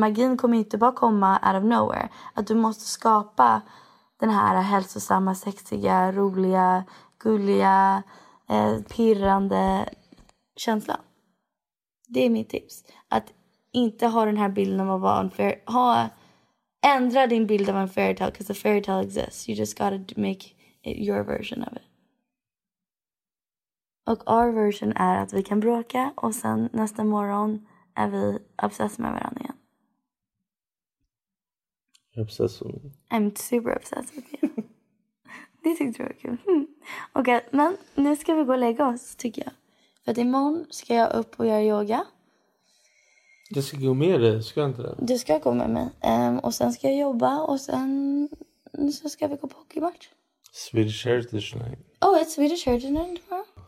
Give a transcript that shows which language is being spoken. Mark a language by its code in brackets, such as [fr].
[sv] Magin kommer inte bara komma [en] out of nowhere. [sv] Att du måste skapa den här hälsosamma, sexiga, roliga, gulliga, pirrande känslan. Det är mitt tips. Att inte ha den här bilden av att vara en fairy tale. Ändra din bild av en fairy tale, [en] because a fairy tale exists. You just gotta make it your version of it. [sv] Och [en] our version [sv] är att vi kan bråka och sen nästa morgon är vi obsessed med varandra igen. [en] Obsessed with you. I'm super obsessed with you. [sv] Det tyckte jag var kul. Okej, men nu ska vi gå och lägga oss, tycker jag. För att imorgon ska jag upp och göra yoga. Jag ska gå med dig, ska jag inte det? Du ska gå med mig. Och sen ska jag jobba och sen så ska vi gå på hockeymatch. [en] Swedish Heritage Night. Oh, it's Swedish Heritage Night tomorrow.